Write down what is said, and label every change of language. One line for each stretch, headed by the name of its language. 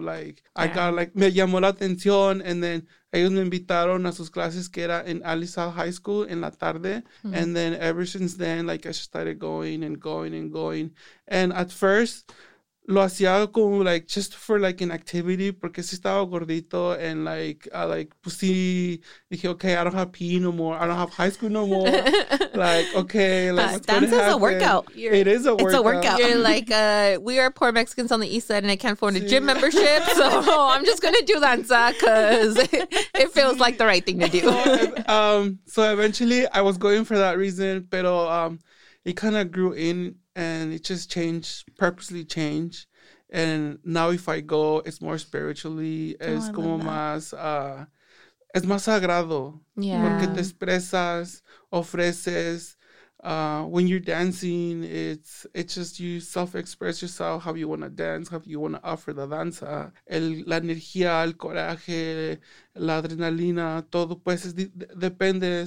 English: Like, yeah. I got like,
Spanish: me llamó la atención.
English: And then
Spanish: ellos me invitaron a sus clases que era en Alisa High School en la tarde. Mm-hmm.
English: And then ever since then, like, I just started going and going and going. And at first,
Spanish: lo hacía como,
English: like, just for, like, an activity,
Spanish: porque sí estaba gordito,
English: and, like, I, like,
Spanish: pues sí, dije,
English: okay, I don't have PE no more, I don't have high school no more, like, okay, like, but what's dance is happen? A workout. It is a workout. It's a workout. You're like, we are poor Mexicans on the east side, and I can't afford a gym membership, so I'm just gonna do danza, because it feels like the right thing to do. So eventually, I was going for that reason, pero it kind of grew in, and it just changed, purposely changed. And now if I go, it's more spiritually.
Spanish: Es como más, es más sagrado.
English: Yeah.
Spanish: Porque te expresas, ofreces.
English: When you're dancing, it's just you self-express yourself, how you want to dance, how you want to offer the danza.
Spanish: La energía, el coraje, la adrenalina, todo pues depende.